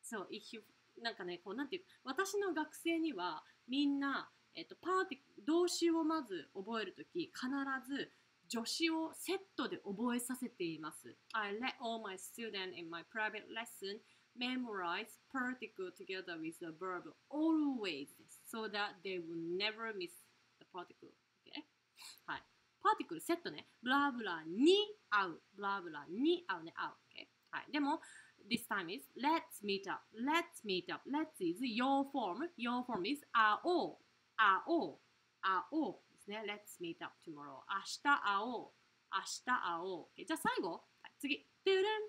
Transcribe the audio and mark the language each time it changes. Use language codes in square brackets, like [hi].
[ja] If you なんかね、こうなんていう、私の学生にはみんな、動詞をまず覚えるとき必ず助詞をセットで覚えさせています。 [en] I let all my students in my private lesson memorize particle together with the verb always so that they will never miss the particle、okay? [ja] はい、パーティクルセットね、ブラブラに会う、ブラブラに会うね、会う、okay? [en] はい、でも This time is let's meet up let's is your form is 会おう会おうですね。 [ja] Let's meet up tomorrow. 明日会おう。Okay, じゃあ最後。はい、次。トゥルン。